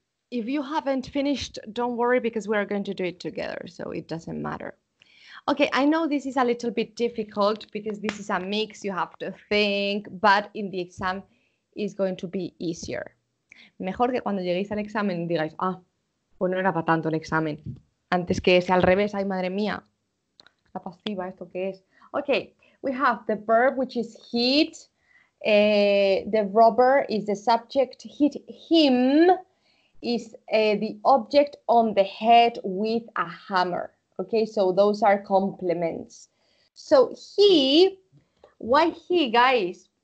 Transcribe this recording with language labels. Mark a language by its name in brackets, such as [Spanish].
[English] If you haven't finished, don't worry because we are going to do it together, so it doesn't matter. Okay, I know this is a little bit difficult because this is a mix, you have to think, but in the exam is going to be easier. [Spanish] Mejor que cuando lleguéis al examen digáis, ah, pues no era para tanto el examen. Antes que sea al revés, ay, madre mía. La pasiva, ¿esto qué es? [English] Okay, we have the verb, which is hit. The robber is the subject. Hit him is the object on the head with a hammer. Okay, so those are complements. So he, why he, guys?